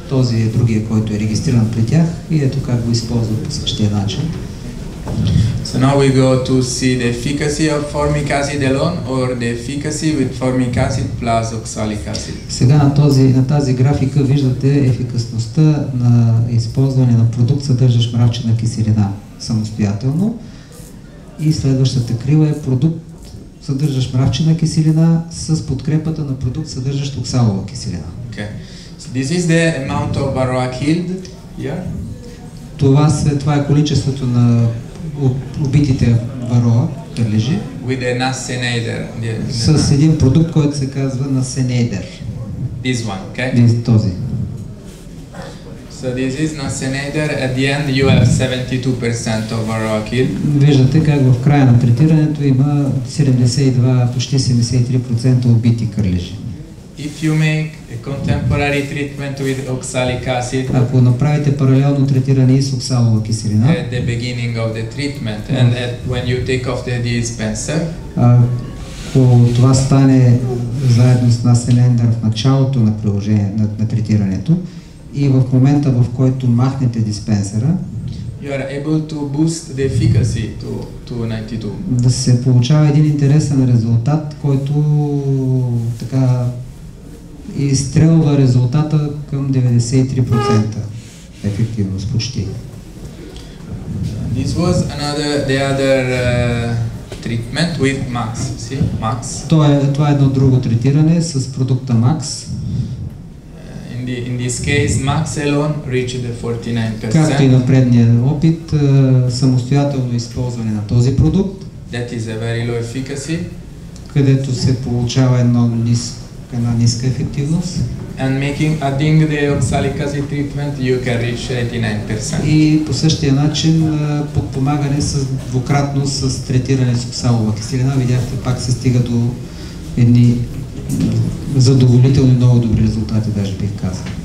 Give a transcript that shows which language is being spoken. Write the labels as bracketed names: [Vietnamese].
[Bulgarian] Този е другия, който е регистриран при тях и ето как го използват по същия начин. [English] So now we go to see the efficacy of formic acid alone or the efficacy with formic acid plus oxalic acid. [Bulgarian] Сега на тази графика виждате ефикасността на използване на продукт, съдържащ мравчена киселина самостоятелно. И следващата крива е продукт, съдържащ мравчена киселина с подкрепата на продукт, съдържащ оксалова киселина. [English] Okay. So this is the amount of baroac yield. [Bulgarian] Това е количеството на убитите вароа, кърлежи. [English] With an acinator. [Bulgarian] С един продукт, който се казва acinator. [English] This one, okay? [Bulgarian] Този. [English] So this is acinator. At the end you have 72% of varroa killed. [Bulgarian] Виждате как в края на третирането има 72, почти 73% убити кърлежи. [English] If you make a contemporary treatment with oxalic acid, [Bulgarian] ако направите паралелно третиране с оксалова киселина, [English] at the beginning of the treatment and at when you take off the dispenser, [Bulgarian] ако това стане заедно с насилендър в началото на приложение на третирането и в момента, в който махнете диспенсера, [English] you are able to boost the efficacy to 92. [Bulgarian] Да се получава един интересен резултат, който така и изстрелва резултата към 93% ефективност почти. [English] This was another the other treatment with Max. See? Max. [Bulgarian] Това е едно друго третиране с продукта Max. [English] In this case Max alone reached the 49%. [Bulgarian] Както и на предния опит, самостоятелно използване на този продукт, [English] that is a very low efficacy, [Bulgarian] където се получава едно ниско на ниска ефективност. [English] And making adding the oxalic acid treatment you can reach 89%. [Bulgarian] И по същия начин подпомагане с двукратно с третиране с оксалова киселина, видяхте пак се стига до едни задоволителни много добри резултати, даже бих казал.